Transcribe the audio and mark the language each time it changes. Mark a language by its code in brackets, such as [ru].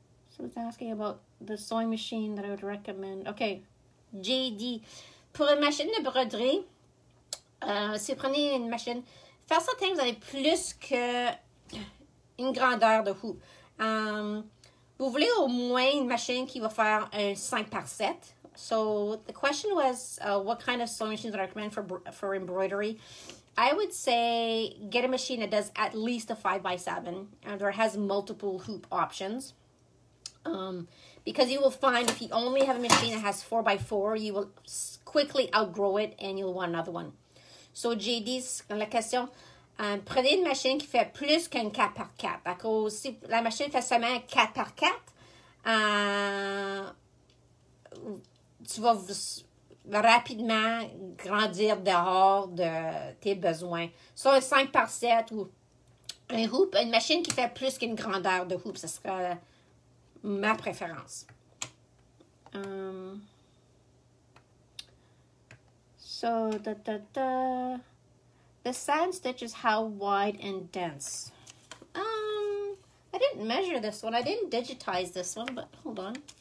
[en] So it's asking about the sewing machine that I would recommend. Okay, JD. [fr] Pour une machine de broderie, si vous prenez une machine, faire certaines, vous avez plus qu'une grandeur de hoop. Vous voulez au moins une machine qui va faire un 5x7. [en] So the question was, what kind of sewing machines I recommend for embroidery? I would say get a machine that does at least a 5x7 and or has multiple hoop options. Because you will find if you only have a machine that has 4x4, you will quickly outgrow it and you'll want another one. [fr] So JD, la question, prenez une machine qui fait plus qu'un 4x4. Parce que si la machine fait seulement un 4x4, tu vas rapidement grandir dehors de tes besoins. Soit un 5x7 ou un hoop, une machine qui fait plus qu'une grandeur de hoop, ce sera ma préférence. [en] So, the satin stitch is how wide and dense? I didn't measure this one. I didn't digitize this one, but hold on.